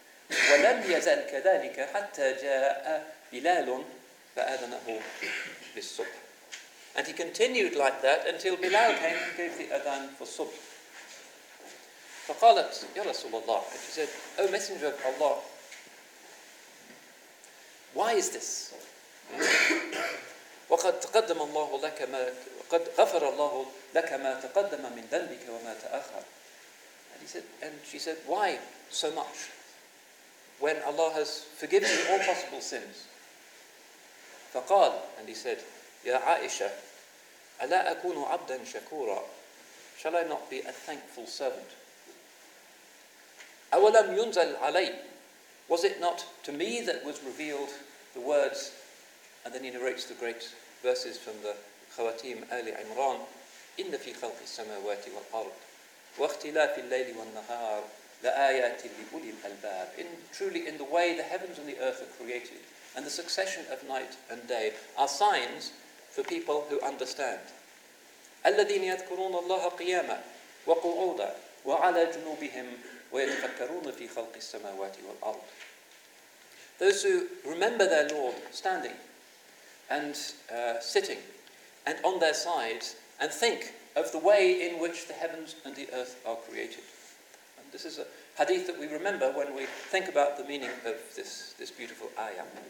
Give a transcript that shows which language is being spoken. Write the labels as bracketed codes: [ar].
[ar] ولم يزل كذلك حتى جاء بلال فأذنه بالصبح. [en] And he continued like that until Bilal came and gave the adhan for subh. [ar] فقالت يا رسول الله. [en] And she said, O Messenger of Allah, why is this? [ar] وقد تقدم الله لك ما قد غفر الله لك ما تقدم من ذنبك وما تأخر. [en] And he said, and she said, why so much? When Allah has forgiven you all possible sins. [ar] فقال, [en] and he said, [ar] يا عائشة, ألا أكون عبدا شكورا? [en] Shall I not be a thankful servant? [ar] أولم ينزل علي? [en] Was it not to me that was revealed the words? And then he narrates the great verses from the Khawatim Ali Imran. [ar] إن في خلق السماوات والأرض واختلاف الليل والنهار لآيات لأولي الألباب. [en] In truly, in the way the heavens and the earth are created, and the succession of night and day, are signs for people who understand. [ar] الذين يذكرون الله قياما وقعودا وعلى جنوبهم ويتفكرون في خلق السماوات والأرض. [en] Those who remember their Lord standing and sitting and on their sides, and think of the way in which the heavens and the earth are created. And this is a hadith that we remember when we think about the meaning of this beautiful ayah.